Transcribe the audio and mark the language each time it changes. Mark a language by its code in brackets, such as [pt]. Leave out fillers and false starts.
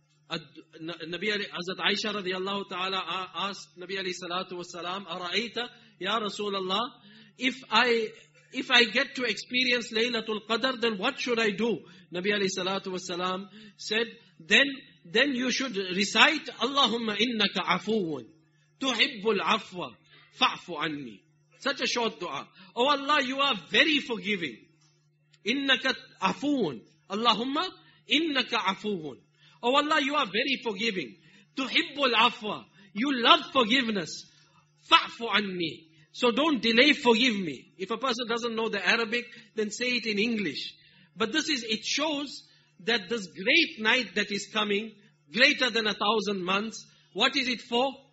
[en] Hazrat Aisha radiallahu ta'ala asked Nabi alayhi salatu wasalam, Ara'aita, Ya Rasulallah, if I get to experience Laylatul Qadr, then what should I do? Nabi alayhi salatu wasalam said, then you should recite, Allahumma innaka afuun. [ar] تُحِبُّ الْعَفْوَ فَعْفُ عَنِّي. [en] Such a short dua. Oh Allah, you are very forgiving. [ar] إِنَّكَ عَفُوٌ. Allahumma, إِنَّكَ عَفُوٌ. [en] Oh Allah, you are very forgiving. [ar] تُحِبُّ الْعَفْوَ. [en] You love forgiveness. [ar] فَعْفُ عَنِّي. [en] So don't delay, forgive me. If a person doesn't know the Arabic, then say it in English. But it shows that this great night that is coming, greater than 1,000 months, what is it for?